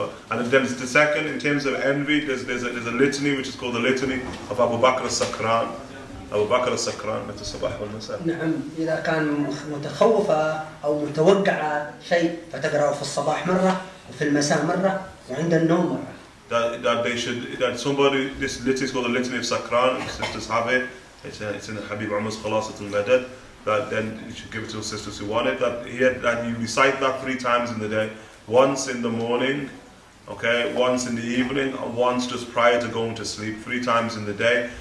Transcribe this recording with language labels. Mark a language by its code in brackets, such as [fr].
[en] And then the second, in terms of envy, there's a litany which is called the litany of Abu Bakr al-Sakran. Abu Bakr al-Sakran, at the Sabah al-Masa. [ar] نعم إذا كان متخوفة أو متوقعة شيء فتقرأه في الصباح مرة وفي المساء مرة وعند النوم مرة. [en] That somebody, this litany is called the litany of Sakran. Sisters have it. It's in Habib Umar's Khalasat al-Madad. That then you should give it to the sisters who want it. That you recite that three times in the day. Once in the morning, okay, once in the evening, and once just prior to going to sleep, three times in the day.